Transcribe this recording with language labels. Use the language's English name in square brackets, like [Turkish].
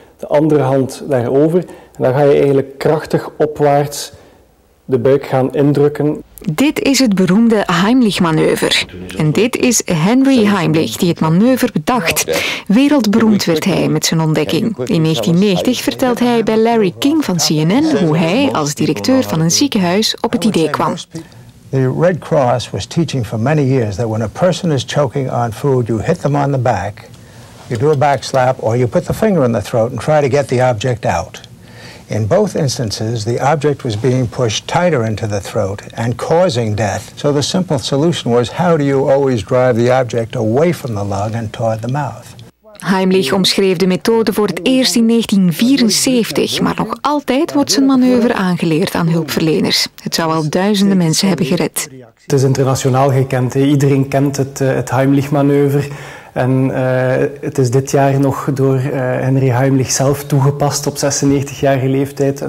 [Dutch] De andere hand daarover. En dan ga je eigenlijk krachtig opwaarts de buik gaan indrukken. Dit is het beroemde Heimlich-manoeuvre. En dit is Henry Heimlich die het manoeuvre bedacht. Wereldberoemd werd hij met zijn ontdekking. In 1990 vertelt hij bij Larry King van CNN hoe hij als directeur van een ziekenhuis op het idee kwam. [English] The Red Cross was teaching for many years that when a person is choking on food, you hit them on the back, you do a back slap, or you put the finger in the throat and try to get the object out. In both instances, the object was being pushed tighter into the throat and causing death. So the simple solution was, how do you always drive the object away from the lung and toward the mouth? [Dutch] Heimlich omschreef de methode voor het eerst in 1974, maar nog altijd wordt zijn manoeuvre aangeleerd aan hulpverleners. Het zou al duizenden mensen hebben gered. Het is internationaal gekend. Iedereen kent het Heimlich-manoeuvre. En het is dit jaar nog door Henry Heimlich zelf toegepast op 96-jarige leeftijd.